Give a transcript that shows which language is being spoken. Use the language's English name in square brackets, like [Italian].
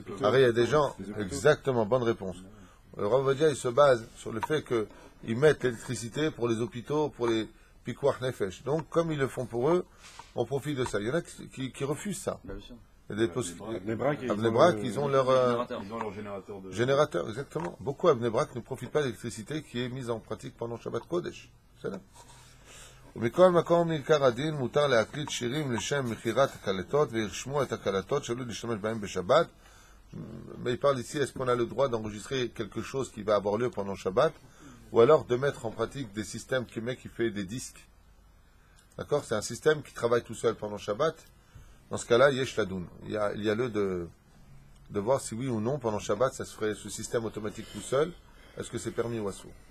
[French] Ah, il y a des gens, exactement, bonne réponse. Le Rav Ovadia, il se base sur le fait qu'ils mettent l'électricité pour les hôpitaux, pour les pikuach nefesh. Donc, comme ils le font pour eux, on profite de ça. Il y en a qui refusent ça. Des pos- Avnei Brak, ils ont leur générateur. De... Générateur, exactement. Beaucoup Avnei Brak ne profitent pas de l'électricité qui est mise en pratique pendant Shabbat Kodesh. C'est là. [Hebrew] ומכל מקום מיקר הדין מותר להקליט שירים לשם מחירת הקלטות וירשמו את הקלטות שלא להשתמש בהם בשבת. [French] Mais il parle ici, est-ce qu'on a le droit d'enregistrer quelque chose qui va avoir lieu pendant Shabbat? Ou alors de mettre en pratique des systèmes qui met, qui fait des disques? D'accord? C'est un système qui travaille tout seul pendant Shabbat. Dans ce cas-là, [Hebrew] yesh ladoun. [French] Il y a lieu de voir si oui ou non, pendant Shabbat, ça se ferait ce système automatique tout seul. Est-ce que c'est permis ou assou?